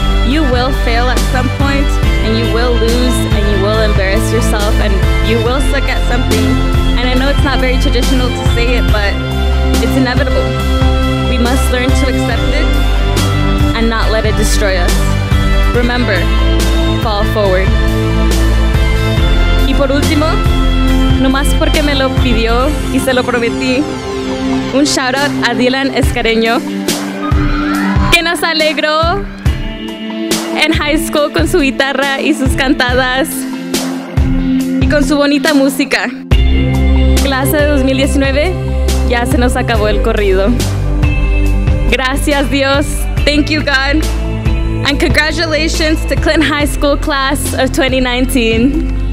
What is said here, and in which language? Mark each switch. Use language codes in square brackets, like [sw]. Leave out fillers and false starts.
[en] You will fail at some point, and you will lose, and you will embarrass yourself, and you will suck at something. And I know it's not very traditional to say it, but it's inevitable. We must learn to accept it and not let it destroy us. Remember, fall forward. [es] Y por último, nomás porque me lo pidió y se lo prometí, un shout out a Dylan Escareño, que nos alegró en high school con su guitarra y sus cantadas y con su bonita música. Clase de 2019, ya se nos acabó el corrido. Gracias Dios. [en] Thank you God. And congratulations to Clint High School Class of 2019.